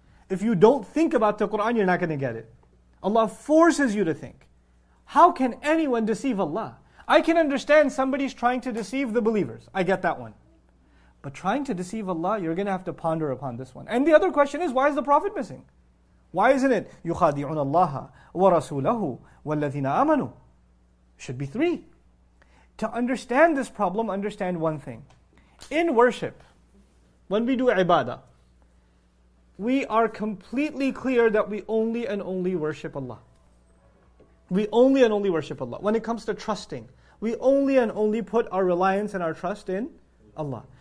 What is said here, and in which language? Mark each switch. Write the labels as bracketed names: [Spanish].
[English] If you don't think about the Qur'an, you're not going to get it. Allah forces you to think. How can anyone deceive Allah? I can understand somebody's trying to deceive the believers. I get that one. But trying to deceive Allah, you're going to have to ponder upon this one. And the other question is, why is the Prophet missing? Why isn't it, [Arabic] يُخَادِعُونَ اللَّهَ وَرَسُولَهُ وَالَّذِينَ آمَنُوا. [English] Should be three. To understand this problem, understand one thing. In worship, when we do ibadah, we are completely clear that we only and only worship Allah. We only and only worship Allah. When it comes to trusting, we only and only put our reliance and our trust in Allah.